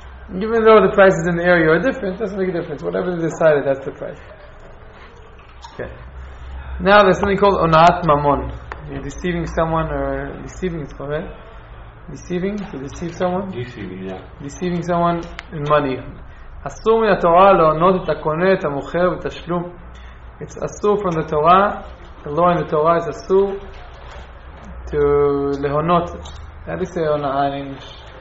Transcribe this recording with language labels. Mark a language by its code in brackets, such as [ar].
[en] Even though the prices in the area are different, it doesn't make a difference. Whatever they decided, that's the price. Okay. Now there's something called onat mamon. You're deceiving someone, or deceiving is correct? Deceiving? To deceive someone? Deceiving, yeah. Deceiving someone in money. [he] אסור מן התורה להונות את הקונה, את המוכר ותשלום. [en] It's אסור from the Torah. The law in the Torah is אסור to להונות. How do you say on the English?